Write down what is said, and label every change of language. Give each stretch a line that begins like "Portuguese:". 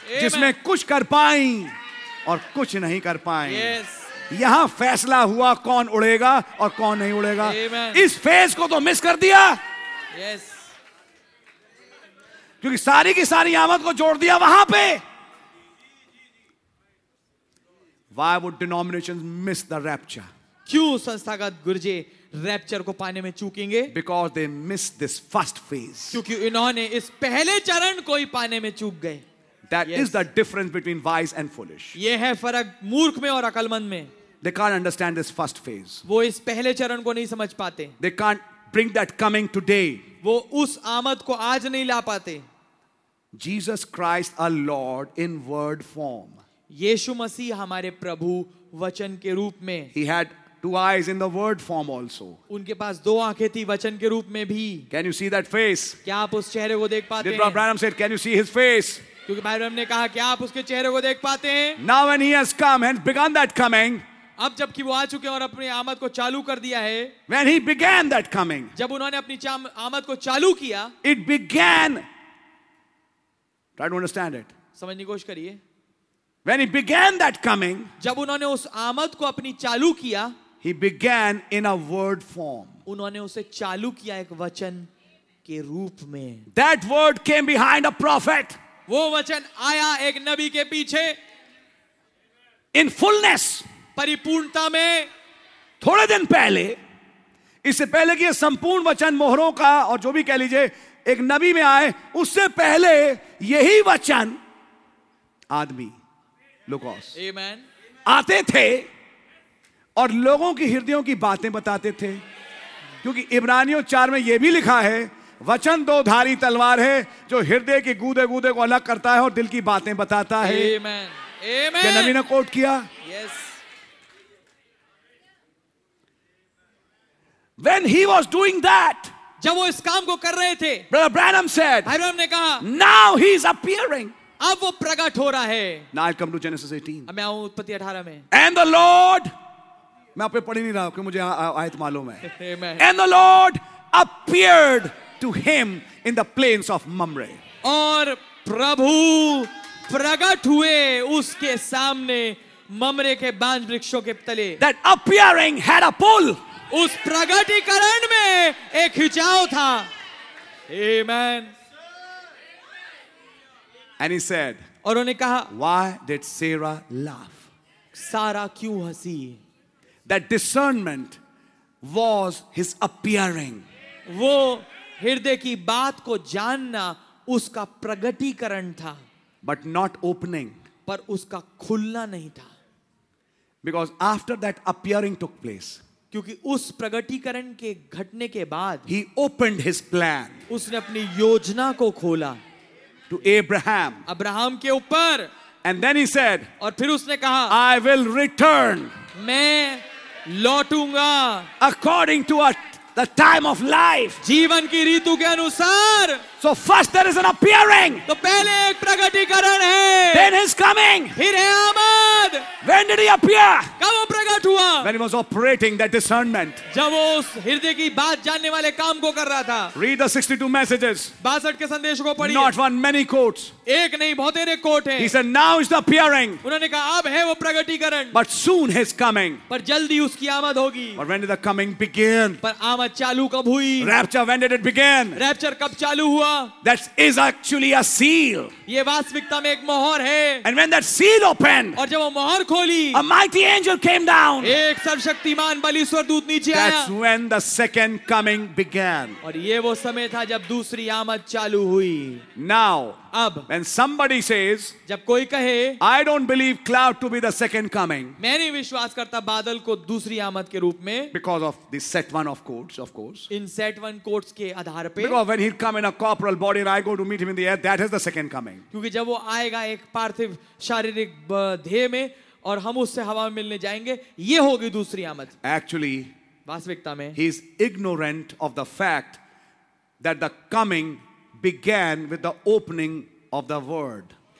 Hindi: जिसमें कुछ कर पाई और कुछ नहीं कर पाए.
English: Yes.
Hindi: यहां फैसला हुआ कौन उड़ेगा और कौन नहीं उड़ेगा. Amen. इस फेज को तो मिस कर दिया.
English: Yes.
Hindi: क्योंकि सारी की सारी आमद को जोड़ दिया वहां पे.
English: Why would denominations miss the rapture?
Hindi: क्यों संस्थागत गुर्जे रैप्चर को पाने में चूकेंगे?
English: Because they miss this first phase.
Hindi: क्योंकि इन्होंने इस पहले चरण को ही पाने में चूक गए.
English: That yes. is the difference between wise and foolish.
Hindi: ये है फर्क मूर्ख में और अकलमंद में.
English: They can't understand this first phase.
Hindi: वो इस पहले चरण को नहीं समझ पाते.
English: They can't bring that coming today.
Hindi: वो उस आमद को आज नहीं ला पाते.
English: Jesus Christ our Lord in word form.
Hindi: यीशु मसीह हमारे प्रभु वचन के रूप में.
English: He had two eyes in the word form also.
Hindi: उनके पास दो आंखें थी वचन के रूप में भी.
English: Can you see that face?
Hindi: क्या आप उस चेहरे को देख पाते?
English: Did Brother Branham said, can you see his face?
Hindi: क्योंकि भाई ब्रह्म ने कहा कि आप उसके चेहरे को देख पाते हैं.
English: Now when he has come and begun that coming,
Hindi: अब जबकि वो आ चुके और अपनी आमद को चालू कर दिया है.
English: When he began that coming,
Hindi: जब उन्होंने अपनी आमद को चालू किया.
English: It began. Try to understand it.
Hindi: समझने की कोशिश करिए.
English: When he began that coming,
Hindi: जब उन्होंने उस आमद को अपनी चालू किया.
English: He began in a word form.
Hindi: उन्होंने उसे चालू किया एक वचन के रूप में.
English: That word came behind a prophet.
Hindi: वो वचन आया एक नबी के पीछे.
English: in fullness,
Hindi: परिपूर्णता में. थोड़े दिन पहले, इससे पहले कि ये संपूर्ण वचन मोहरों का और जो भी कह लीजिए एक नबी में आए, उससे पहले यही वचन आदमी लुकोस Amen. आते थे और लोगों की हृदयों की बातें बताते थे. क्योंकि इब्रानियों 4 में यह भी लिखा है, वचन दो धारी तलवार है जो हृदय के गूदे गूदे को अलग करता है और दिल की बातें बताता है. Amen. Amen. क्या नबी ने कोट किया?
English: Yes. When he was doing that,
Hindi: जब वो इस काम को कर रहे थे,
English: Brother Branham said,
Hindi: भाई ब्रह्म ने कहा,
English: Now he is appearing.
Hindi: अब वो प्रकट हो रहा है.
English: Now I'll come to Genesis 18.
Hindi: अब मैं आऊं उत्पत्ति 18 में.
English: And the Lord,
Hindi: मैं आप पे पढ़ी नहीं रहा क्योंकि मुझे आयत मालूम है. Amen.
English: And the Lord appeared to him in the plains of Mamre.
Hindi: और प्रभु प्रकट हुए उसके सामने ममरे के बांज वृक्षों के तले.
English: That appearing had a pull.
Hindi: उस प्रगटीकरण में एक खिंचाव था. Amen.
English: And he said.
Hindi: और उन्होंने कहा.
English: Why did Sarah laugh?
Hindi: सारा क्यों हंसी?
English: That discernment was his appearing.
Hindi: वो हृदय की बात को जानना उसका प्रगटीकरण था.
English: but not opening,
Hindi: पर उसका खुलना नहीं था.
English: because after that appearing took place,
Hindi: क्योंकि उस प्रगटीकरण के घटने के बाद,
English: he opened his plan,
Hindi: उसने अपनी योजना को खोला.
English: to Abraham,
Hindi: अब्राहम के ऊपर.
English: and then he said,
Hindi: और फिर उसने कहा,
English: I will return,
Hindi: मैं लौटूंगा
English: According to at The time of life.
Hindi: जीवन की ऋतु के अनुसार.
English: So first there is an appearing.
Hindi: तो पहले एक प्रगटीकरण है.
English: Then his coming.
Hindi: फिर है आमद.
English: When did he appear?
Hindi: कब वो प्रकट हुआ?
English: When he was operating that discernment.
Hindi: जब वो उस हृदय की बात जानने वाले काम को कर रहा था.
English: Read the 62 messages.
Hindi: 62 के संदेश को पढ़िए.
English: Not one, many quotes.
Hindi: एक नहीं, बहुत सारे कोट हैं.
English: He said, "Now is the appearing."
Hindi: उन्होंने कहा, अब है वो प्रकटीकरण.
English: But soon his coming.
Hindi: पर जल्दी उसकी आमद होगी.
English: But when did the coming begin?
Hindi: पर आमद चालू कब हुई?
English: Rapture, when did it begin?
Hindi: Rapture कब चालू हुआ?
English: That is actually a seal.
Hindi: ये वास्तविकता में एक मोहर है.
English: And when that seal opened.
Hindi: और जब वो मोहर खोली.
English: A mighty angel came down.
Hindi: एक सर्वशक्तिमान बलीश्वर दूत नीचे आया.
English: That's when the second coming began.
Hindi: और ये वो समय था जब दूसरी आमद चालू हुई.
English: Now.
Hindi: अब.
English: When somebody says.
Hindi: जब कोई कहे.
English: I don't believe cloud to be the second coming.
Hindi: मैं नहीं विश्वास करता बादल को दूसरी आमद के रूप में.
English: Because of the set one of quotes, of course. In set one quotes
Hindi: के आधार पे.
English: Because when he'll come in a corporal body and I go to meet him in the air, that is the second coming.
Hindi: क्योंकि जब वो आएगा एक पार्थिव शारीरिक देह में और हम उससे हवा में मिलने जाएंगे, ये होगी दूसरी आमद.
English: Actually,
Hindi: वास्तविकता में,
English: he is ignorant of the fact that the coming began with the opening of the word.